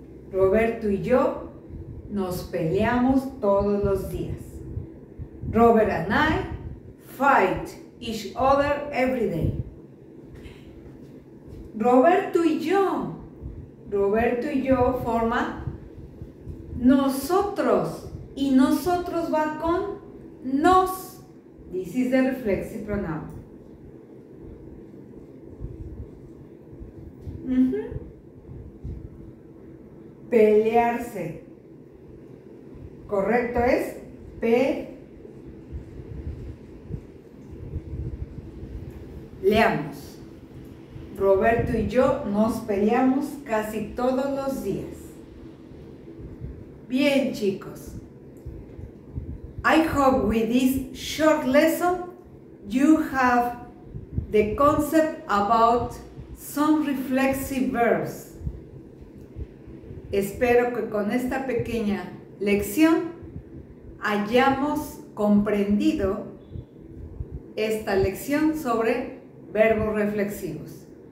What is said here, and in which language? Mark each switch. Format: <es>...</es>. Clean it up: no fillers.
<es>Roberto y yo nos peleamos todos los días.</es> <en>Robert and I fight each other every day.</en> <es>Roberto y yo. Roberto y yo forma nosotros. Y nosotros va con nos.</es> <en>This is the reflexive pronoun.</en> <es>Pelearse. Correcto es peleamos. Roberto y yo nos peleamos casi todos los días. Bien, chicos.</es> <en>I hope with this short lesson you have the concept about some reflexive verbs.</en> <es>Espero que con esta pequeña lección hayamos comprendido esta lección sobre verbos reflexivos.</es>